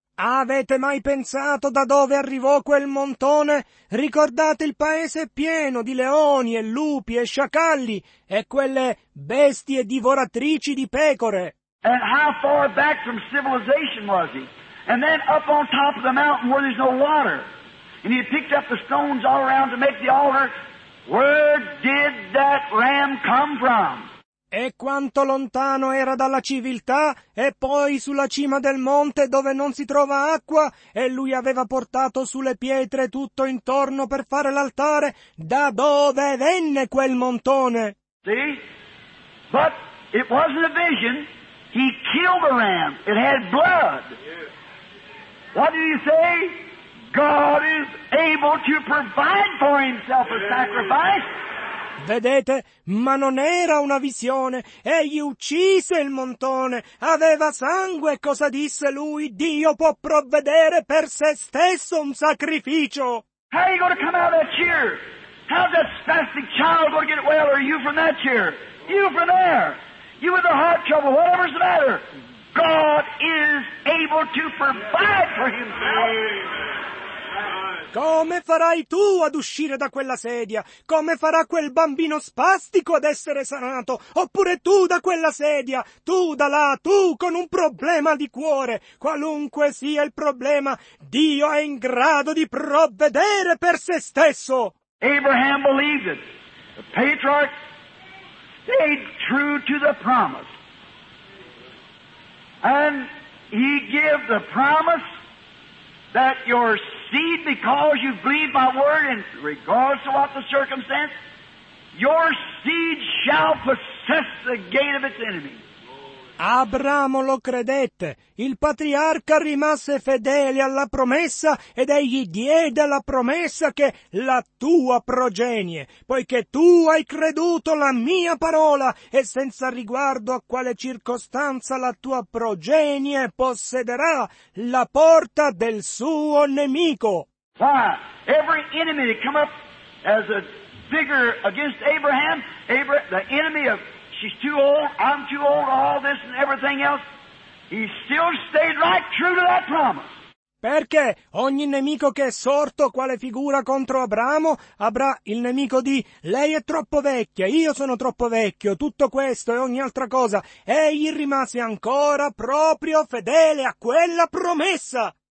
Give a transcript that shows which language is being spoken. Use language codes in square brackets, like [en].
[it] Avete mai pensato da dove arrivò quel montone? Ricordate il paese pieno di leoni e lupi e sciacalli e quelle bestie divoratrici di pecore. [en] And how far back from civilization was he? And then up on top of the mountain where there's no water. And he picked up the stones all around to make the altar. Where did that ram come from? [it] E quanto lontano era dalla civiltà, e poi sulla cima del monte dove non si trova acqua, e lui aveva portato sulle pietre tutto intorno per fare l'altare, da dove venne quel montone? [en] See? But it wasn't a vision. He killed the ram. It had blood. What did he say? God is able to provide for himself a sacrifice. [it] Vedete, ma non era una visione. Egli uccise il montone. Aveva sangue. Cosa disse lui? Dio può provvedere per se stesso un sacrificio. [en] How are you going to come out of that chair? How's that spastic child going to get well? Or you from that chair? You from there? You with the heart trouble? Whatever's the matter? God is able to provide for himself. [it] Come farai tu ad uscire da quella sedia? Come farà quel bambino spastico ad essere sanato? Oppure tu da quella sedia? Tu da là, tu con un problema di cuore. Qualunque sia il problema, Dio è in grado di provvedere per se stesso. [en] Abraham believed it. The patriarch stayed true to the promise. And he gave the promise that your seed, because you believe my word, and regardless of what the circumstance, your seed shall possess the gate of its enemy. [it] Abramo lo credette, il patriarca rimase fedele alla promessa ed egli diede la promessa che la tua progenie, poiché tu hai creduto la mia parola e senza riguardo a quale circostanza la tua progenie possederà la porta del suo nemico. [en] Why? Every enemy that come up as a vigor against Abraham, the enemy of she's too old, I'm too old, all this and everything else, he still stayed right true to that promise. [it] Perché ogni nemico che è sorto quale figura contro Abramo avrà il nemico di lei è troppo vecchia, io sono troppo vecchio, tutto questo e ogni altra cosa, egli rimase ancora proprio fedele a quella promessa.